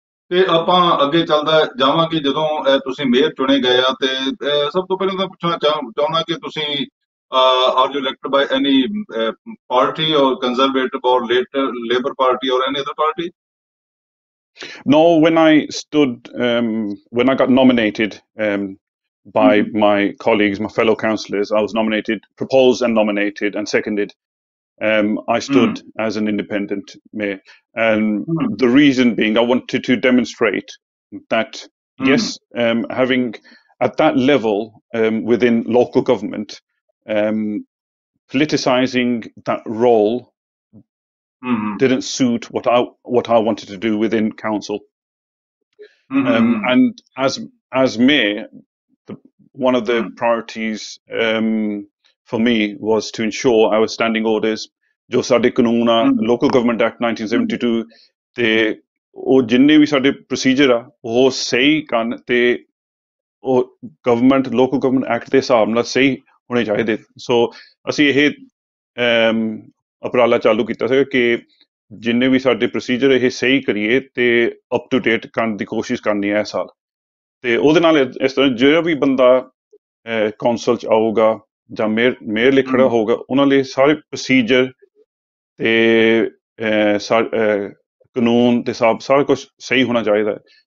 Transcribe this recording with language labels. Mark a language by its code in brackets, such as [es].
[pa] ਤੇ ਆਪਾਂ ਅੱਗੇ ਚੱਲਦਾ ਜਾਵਾਂਗੇ। ਜਦੋਂ ਤੁਸੀਂ ਮੇਅਰ ਚੁਣੇ ਗਏ ਆ, ਤੇ ਸਭ ਤੋਂ ਪਹਿਲਾਂ ਤਾਂ ਪੁੱਛਣਾ ਚਾਹੁੰਦਾ ਕਿ ਤੁਸੀਂ [en] Are you elected by any party or Conservative or Labour party or any other party? No, when I stood, when I got nominated by my colleagues, my fellow councillors, I was nominated, proposed and nominated and seconded. I stood as an independent mayor. And the reason being, I wanted to demonstrate that, yes, having at that level within local government, politicizing that role didn't suit what I wanted to do within council. And as mayor, one of the priorities for me was to ensure I was standing orders [pa] jo sade kanoon local government act 1972 te o jinne vi sade procedure a oh sahi kan te o government local government act de hisab nal sahi hone chahide. So assi eh ਉਪਰਾਲਾ ਚਾਲੂ ਕੀਤਾ ਸੀਗਾ ਕਿ ਜਿੰਨੇ ਵੀ ਸਾਡੇ procedure ਇਹ ਸਹੀ ਕਰੀਏ ਤੇ ਅਪ ਟੂ ਡੇਟ ਕਰਨ ਦੀ ਕੋਸ਼ਿਸ਼ ਕਰਨੀ ਹੈ ਇਸ ਸਾਲ। ਤੇ ਉਹਦੇ ਨਾਲ ਇਸ ਤਰ੍ਹਾਂ ਜਿਹੜਾ ਵੀ ਬੰਦਾ ਕੌਂਸਲ 'ਚ ਆਊਗਾ ਜਾਂ ਮੇਅਰ ਲਿਖਣਾ ਹੋਊਗਾ, ਉਹਨਾਂ ਲਈ ਸਾਰੇ ਪ੍ਰੋਸੀਜਰ ਤੇ ਕਾਨੂੰਨ ਤੇ ਸਾਰਾ ਕੁਛ ਸਹੀ ਹੋਣਾ ਚਾਹੀਦਾ ਹੈ।